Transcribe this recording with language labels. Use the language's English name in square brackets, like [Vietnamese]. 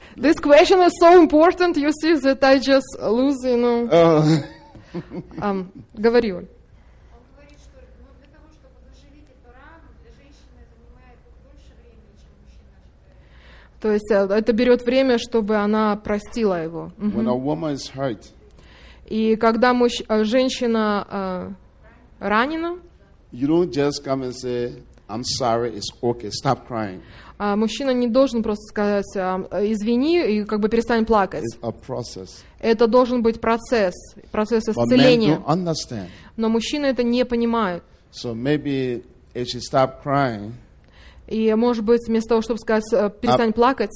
[English] This question is so important, you see, that I just lose, you know. [Russian] Говори, Оль. Он говорит, что для того, чтобы заживить эту рану, для женщины это занимает больше времени, чем мужчина. То есть это берет время, чтобы она простила его. [English] When a woman is hurt. [Russian] И когда женщина ранена, [English] you don't just come and say, "I'm sorry, it's okay, stop crying." [Russian] Мужчина не должен просто сказать «извини» и как бы перестань плакать. Это должен быть процесс, процесс исцеления. Но мужчины это не понимают. [English] So maybe if she stop crying, [Russian] и может быть вместо того, чтобы сказать «перестань плакать»,